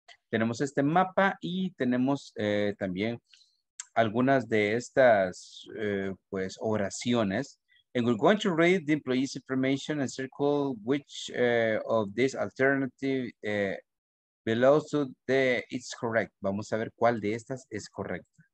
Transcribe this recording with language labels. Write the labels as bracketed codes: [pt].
[es] Tenemos este mapa y tenemos también algunas de estas pues oraciones. [en] And we're going to read the employee's information and circle which of this alternative belongs to the it's correct. [es] Vamos a ver cuál de estas es correcta.